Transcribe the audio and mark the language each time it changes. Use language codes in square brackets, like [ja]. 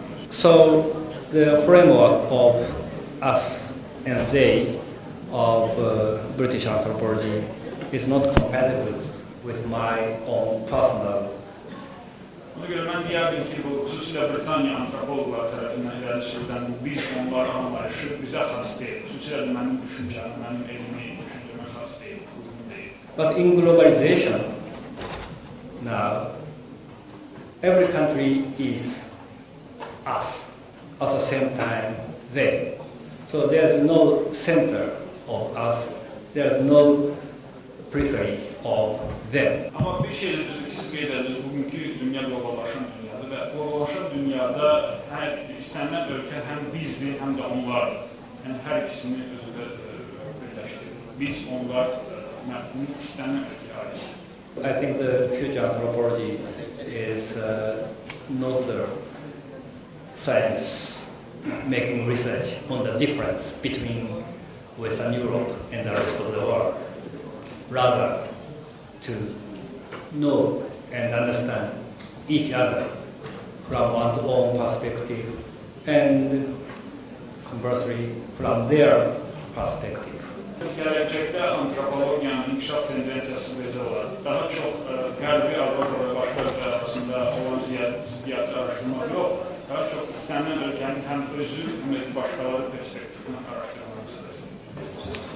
[en] So the framework of us and they of British anthropology is not compatible with my own personal. [az] Ona görə mən deyərdim ki, bu xüsusilə Britaniya antropologları tərəfindən irəli sürülən bu biz onlar anlayışı bizə xas deyil. Xüsusilə mənim düşüncəm, mənim elmi düşüncəmə xas deyil, uyğun deyil. [en] But in globalization, now, every country is us, at the same time, they. So there is no center of us, there is no periphery of them. [tr] Ama bir şey de düzgün ki siz belirlediniz, bugünkü dünya globallaşan dünyada ve globallaşan dünyada her istenilen ülke hem bizdi hem de onlar. Yani her ikisini özünde birleştirdi. Biz, onlar, bunu istenilen ülke ayrıca. [en] I think the future anthropology is another science making research on the difference between Western Europe and the rest of the world, rather to know and understand each other from one's own perspective and conversely from their perspective. [az] Gələcəkdə antropologiyanın inkişaf tendensiyası belə olar. Daha çox qərbi Avropa və başqa ölkələr arasında olan ziddiyyət araşdırma yox. Daha çox istənilən ölkənin həm özü, həm də başqaları perspektivinə araşdırmaq